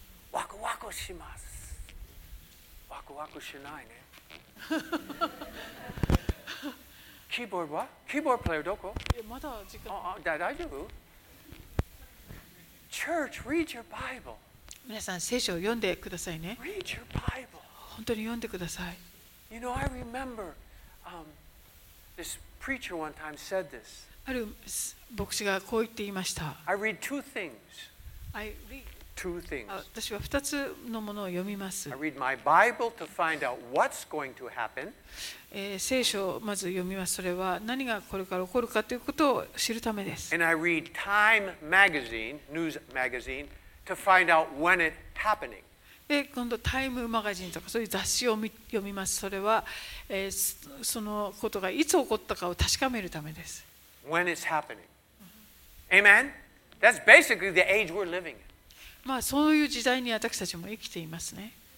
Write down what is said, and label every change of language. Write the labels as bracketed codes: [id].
[ja] ワクワクします。ワクワクしないね。キーボードは？キーボードプレイヤーどこ？いや、まだ時間。あ、大丈夫？ [en] Church, read your Bible. [ja] 皆さん、聖書を読んでくださいね。 [en] Read your Bible. [ja] 本当に読んでください。 [en] You know, I remember this preacher one time said this. [ja] ある牧師がこう言っていました。 [en] I read two things. I read two things. [ja] 私は二つのものを読みます。 [en] I read my Bible to find out what's going to happen. [ja] 聖書をまず読みます。それは何がこれから起こるかということを知るためです。 [en] And I read Time magazine, news magazine, to find out when it's happening. [ja] で今度タイムマガジンとかそういう雑誌を読みます。それは、そのことがいつ起こったかを確かめるためです。 [en] When it's happening. Amen. That's basically the age we're living in. [ja] まあそういう時代に私たちも生きていますね。